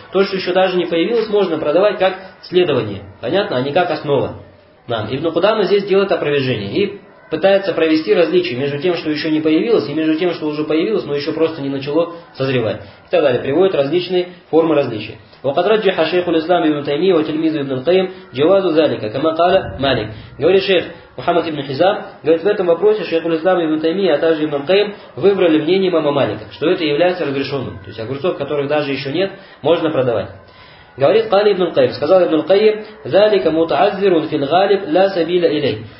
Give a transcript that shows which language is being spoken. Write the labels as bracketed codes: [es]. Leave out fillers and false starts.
[ru] То, что еще даже не появилось, можно продавать как следование. Понятно? А не как основа. Нам. Ибн Кудама здесь делает опровержение и пытается провести различие между тем, что еще не появилось, и между тем, что уже появилось, но еще просто не начало созревать. И так далее. Приводит различные формы различия. [ar] وقدرت جه شيخ الإسلام ابن تيمية وتلميذ ابن القيم جواز ذلك كما قال مالك. [ru] Говорит шейх Мухаммад ибн Хизам, говорит, в этом вопросе шейх ислам ибн Таймия, а также ибн Каим выбрали мнение имама Малика, что это является разрешенным. То есть огурцов, которых даже еще нет, можно продавать. Говорит Кали ибн Каим, сказал ибн Каим, [ar] «Залика мутаазирун фин галиб ла сабиля илей».